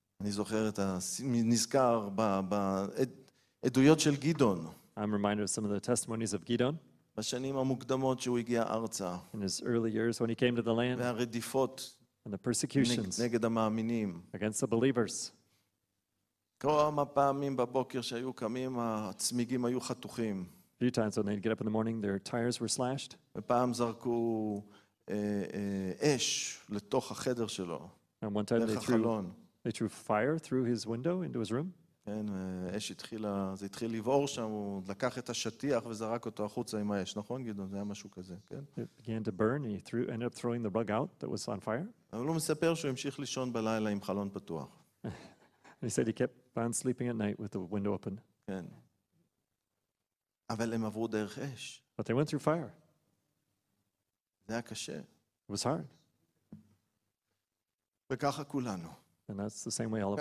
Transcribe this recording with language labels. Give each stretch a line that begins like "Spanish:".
Hebrew: אני זוכר את הנזכר בעדויות של גדעון.
English: I'm reminded of some of the testimonies of Gideon.
Hebrew: בשנים המוקדמות שהוא הגיע ארצה.
English: In his early years when he came to the land.
Hebrew: והרדיפות.
English: And the persecutions.
Hebrew: נגד המאמינים.
English: Against the believers.
Hebrew: כמה פעמים בבוקר שהיו קמים, הצמיגים היו חתוכים.
English: A few times when they'd get up in the morning, their tires were slashed.
Hebrew: ופעם זרקו אש לתוך החדר שלו.
English: And one time they threw fire through his window into his room.
Hebrew: כן, אש התחילה, זה התחיל לבעור שם, הוא לקח את השטיח וזרק אותו החוצה עם האש. נכון, גדעון? זה היה משהו כזה, כן?
English: It began to burn, and he ended up throwing the rug out that was on fire.
Hebrew: אבל הוא מספר שהוא המשיך לישון בלילה עם חלון פתוח.
English: And he said he kept on sleeping at night with the window open.
Hebrew: כן. אבל הם עברו דרך אש.
English: But they went through fire.
Hebrew: זה היה קשה.
English: It was hard.
Hebrew: וככה כולנו.
English: And that's the same way all of us.